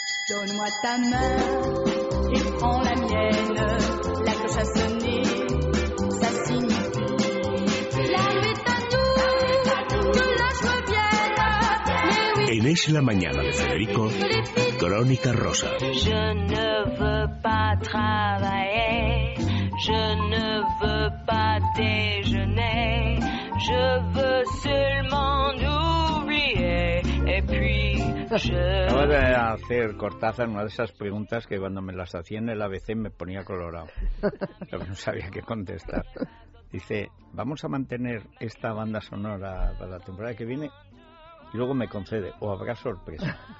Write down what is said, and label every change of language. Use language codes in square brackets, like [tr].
[fr] Donne-moi ta main et prends la mienne. La cloche a sonné, ça signifie l'arrivée est à nous, que la joie vienne. [es] En Es la mañana de Federico, Crónica Rosa. [fr] Je ne veux pas travailler, je ne veux pas déjeuner, je veux seulement oublier. [es] Acabo de hacer Cortázar una de esas preguntas que cuando me las hacían en el ABC me ponía colorado. No sabía qué contestar. Dice, ¿vamos a mantener esta banda sonora para la temporada que viene? Y luego me concede, ¿o habrá sorpresa?